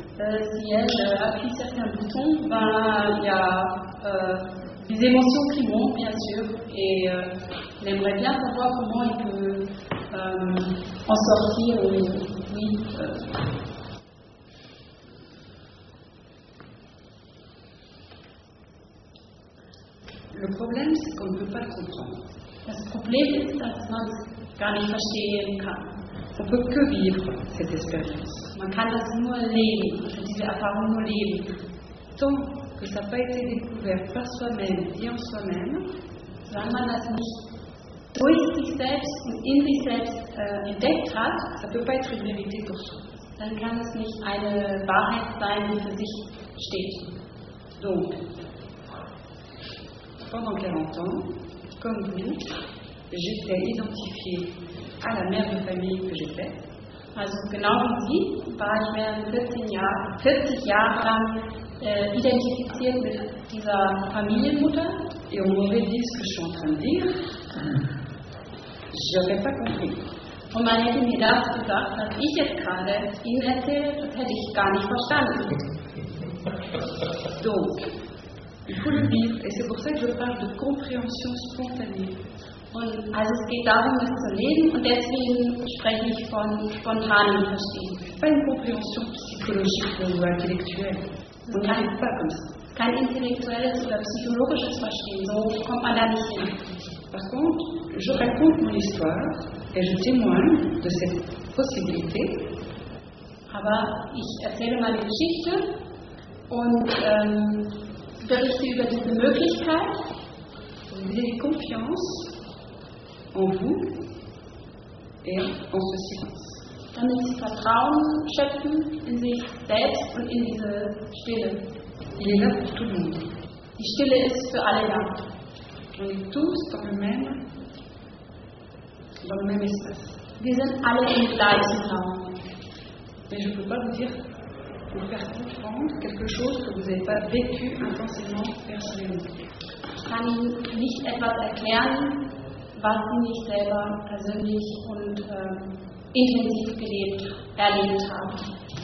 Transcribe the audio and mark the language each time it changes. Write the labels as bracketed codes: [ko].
[fr] Si elle appuie certains boutons, ben il y a des émotions qui montent, bien sûr, et il aimerait bien savoir comment il peut en sortir. Oui. Le problème, c'est qu'on ne peut pas le comprendre. [de] Das Problem ist, dass man es gar nicht verstehen kann. [fr] On peut que vivre cette expérience. [de] Man kann das nur leben, diese Erfahrung nur leben. [fr] Tant que ça n'a pas été découvert par soi-même et en soi-même, [de] wenn man das nicht durch sich selbst und in sich selbst entdeckt hat, [fr] ça peut pas être une vérité pour soi. [de] Dann kann es nicht eine Wahrheit sein, die für sich steht. [fr] Donc, pendant 40 ans, comme vous, j'étais identifiée à la mère de famille que j'étais. [de] Also, genau wie Sie, war ich während 40 Jahre lang identifiziert mit dieser Familienmutter. [fr] Et on m'aurait dit ce que je suis en train de dire. Je n'aurais pas compris. [de] Und man hätte mir das gesagt, was ich jetzt gerade Ihnen erzähle, das hätte ich gar nicht verstanden. [fr] Donc, il faut le vivre. Et c'est pour ça que je parle de compréhension spontanée. [de] Und also es geht darum, es zu leben, und deswegen spreche ich von spontanem Verstehen. Keine [fr] Kompréhension psychologique [de] oder intellektuell. Und kein intellektuelles oder psychologisches Verstehen, so kommt man da nicht hin. [fr] Par contre, je raconte mon histoire, et je témoigne de cette possibilité. [de] Aber ich erzähle meine Geschichte und berichte über diese Möglichkeit. [fr] J'ai confiance en vous et en ce silence. [de] Damit sie Vertrauen schöpfen in sich selbst und in diese Stille. [fr] Il est là pour tout le monde. [de] Die Stille ist für alle da. [fr] On est tous dans le même. Dans le même espace. [de] Wir sind alle im gleichen Raum. [fr] Mais je ne peux pas vous dire pour faire comprendre quelque chose que vous n'avez pas vécu intensément personnellement. [de] Ich kann Ihnen nicht etwas erklären, was Sie nicht selber persönlich und intensiv gelebt, erlebt haben.